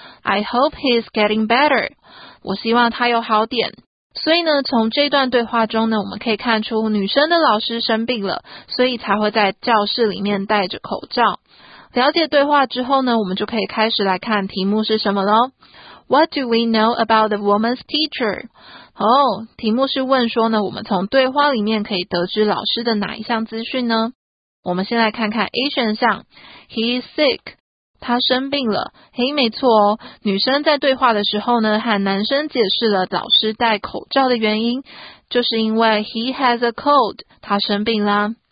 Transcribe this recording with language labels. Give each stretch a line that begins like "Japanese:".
English: I hope he's getting better.
Chinese: 我希望他有好点。所以呢，从这段对话中呢，我们可以看出女生的老师生病了，所以才会在教室里面戴着口罩。了解对话之后呢，我们就可以开始来看题目是什么咯。
English: What do we know about the woman's teacher?
Chinese: 题目是问说呢，我们从对话里面可以得知老师的哪一项资讯呢？我们先来看看 A 选项，
English: He is sick.
Chinese: 他生病了，嘿，没错哦。女生在对话的时候呢，和男生解释了老师戴口罩的原因，就是因为
English: he has a cold，
Chinese: 他生病啦。